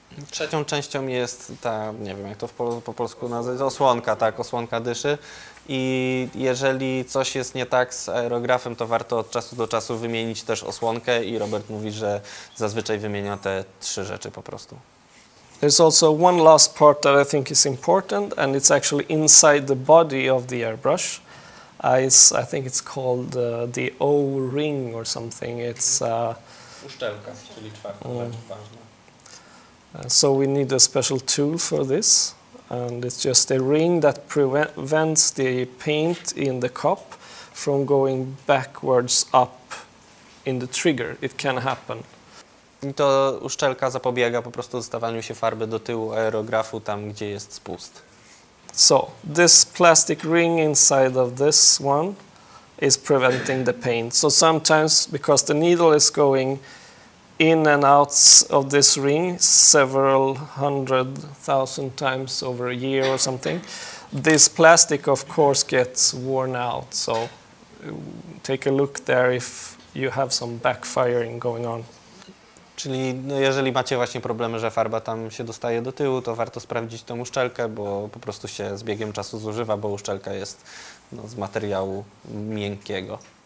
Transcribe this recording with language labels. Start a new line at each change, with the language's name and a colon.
Polish: Trzecią częścią jest ta, nie wiem jak to po polsku nazwać, osłonka, tak, osłonka dyszy. I jeżeli coś jest nie tak z aerografem, to warto od czasu do czasu wymienić też osłonkę i Robert mówi, że zazwyczaj wymienia te trzy rzeczy po prostu.
English: There's also one last part that I think is important and it's actually inside the body of the airbrush. I think it's called the O-ring or something. It's
Polish: uszczelka, czyli czwarta rzecz ważna.
English: So we need a special tool for this. And it's just a ring that prevents the paint in the cup from going backwards up in the trigger. It can happen.
Polish: I to uszczelka zapobiega po prostu zostawaniu się farby do tyłu aerografu, tam gdzie jest spust.
English: So, this plastic ring inside of this one is preventing the paint. So sometimes, because the needle is going in and out of this ring several hundred thousand times over a year or something, this plastic of course gets worn out, so take a look there if you have some backfiring going on.
Polish: Czyli no, jeżeli macie właśnie problemy, że farba tam się dostaje do tyłu, to warto sprawdzić tą uszczelkę, bo po prostu się z biegiem czasu zużywa, bo uszczelka jest no, z materiału miękkiego.